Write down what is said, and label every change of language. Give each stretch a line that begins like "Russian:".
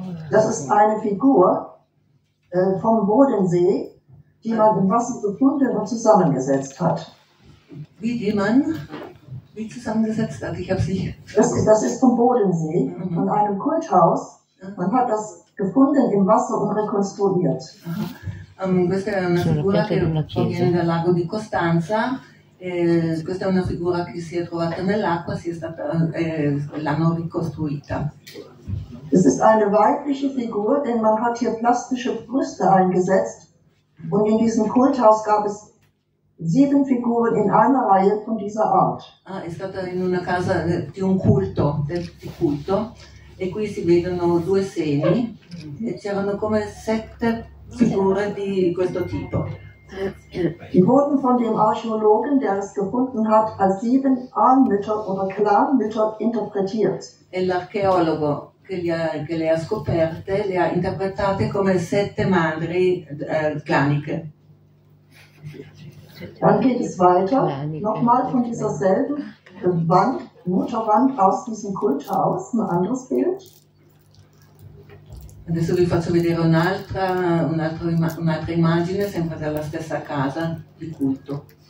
German: Das ist eine Figur vom Bodensee, die man im Wasser gefunden und zusammengesetzt hat. Wie die man wie zusammengesetzt hat? Ich habe sie. Das ist vom Bodensee, von einem Kulthaus. Man hat das gefunden im Wasser und rekonstruiert.
Italian: Questa è una figura che proviene dal lago di Costanza. Questa è una figura che si è trovata nell'acqua, l'hanno ricostruita.
German: Es ist eine weibliche Figur, denn man hat hier plastische Brüste eingesetzt und in diesem Kulthaus gab es 7 Figuren in einer Reihe von dieser Art.
Italian: Ah, è stata in una casa di un culto, di culto, e qui si vedono 2 semi e c'erano come 7 figure di questo tipo.
German: Die wurden von dem Archäologen, der es gefunden hat, als 7 Ahnmütter oder Clanmütter interpretiert.
Italian: E l'archeologo che le ha scoperte le ha interpretate come 7 madri claniche.
German: Dann geht es weiter, nochmal von dieser selben Wand, Mutterwand aus diesem Kulthaus, ein anderes Bild.
Italian: Adesso vi faccio vedere un'altra immagine, sempre dalla stessa casa, di culto.